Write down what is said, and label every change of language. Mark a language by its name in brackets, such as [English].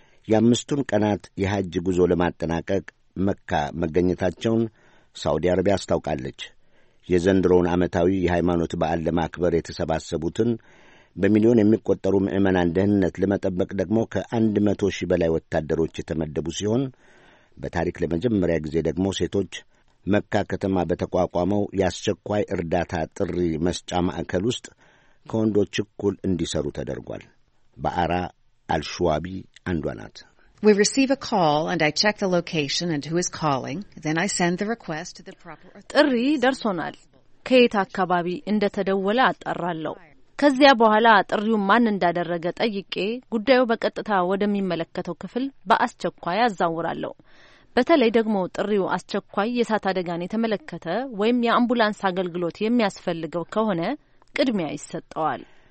[Amharic] የአምስቱን ቀናት የሐጅ ጉዞ ለማጠናቀቅ መካ መገኘታቸውን ሳውዲ አረቢያ አስታውቃለች። የዘንድሮውን ዓመታዊ የሃይማኖት በዓል ለማክበር የተሰባሰቡትን በሚሊዮን የሚቆጠሩ ምዕመናን ደህንነት ለመጠበቅ ደግሞ ከ100 ሺህ በላይ ወታደሮች የተመደቡ ሲሆን በታሪክ ለመጀመሪያ ጊዜ ደግሞ ሴቶች መካ ከተማ በተቋቋመው የአስቸኳይ እርዳታ ጥሪ መስጫ ማዕከል ውስጥ ከወንዶች እኩል እንዲሰሩ ተደርጓል። በአራ አልሹዋቢ አንዷ ናት። [English] We receive a call and I check the location and who is calling. Then I send the request to the proper authority. [Amharic] ጥሪ ደርሶናል። ከየት አካባቢ እንደ ተደወለ አጣራለሁ። ከዚያ በኋላ ጥሪውን ማን እንዳደረገ ጠይቄ ጉዳዩ በቀጥታ ወደሚመለከተው ክፍል በአስቸኳይ አዛውራለሁ። በተለይ ደግሞ ጥሪው አስቸኳይ የእሳት አደጋን የተመለከተ ወይም የአምቡላንስ አገልግሎት የሚያስፈልገው ከሆነ ቅድሚያ ይሰጠዋል።